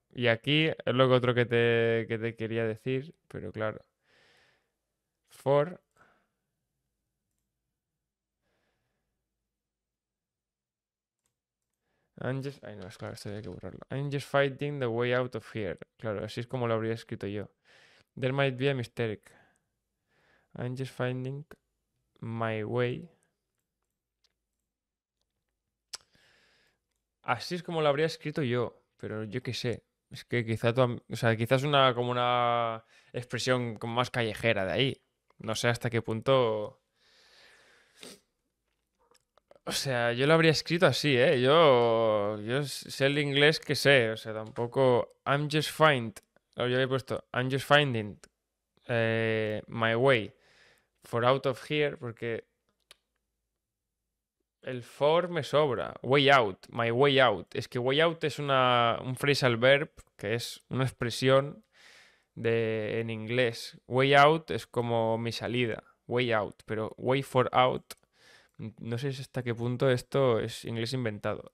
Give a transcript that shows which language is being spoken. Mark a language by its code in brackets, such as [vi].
[es] Y aquí es lo que otro que te quería decir, pero claro. For. I'm just. Ay, no, es claro, esto hay que borrarlo. [en] I'm just fighting the way out of here. [es] Claro, así es como lo habría escrito yo. [en] There might be a mistake. I'm just finding my way. [es] Así es como lo habría escrito yo, pero yo qué sé. Es que quizá o sea, quizás una como una expresión como más callejera de ahí. No sé hasta qué punto. O sea, yo lo habría escrito así, ¿eh? Yo sé el inglés que sé. O sea, tampoco. [en] I'm just find. [es] Lo había puesto. [en] I'm just finding my way for out of here. [es] Porque el for me sobra. Way out. My way out. Es que way out es un phrasal verb, que es una expresión de en inglés. Way out es como mi salida, way out, pero way for out, no sé hasta qué punto esto es inglés inventado.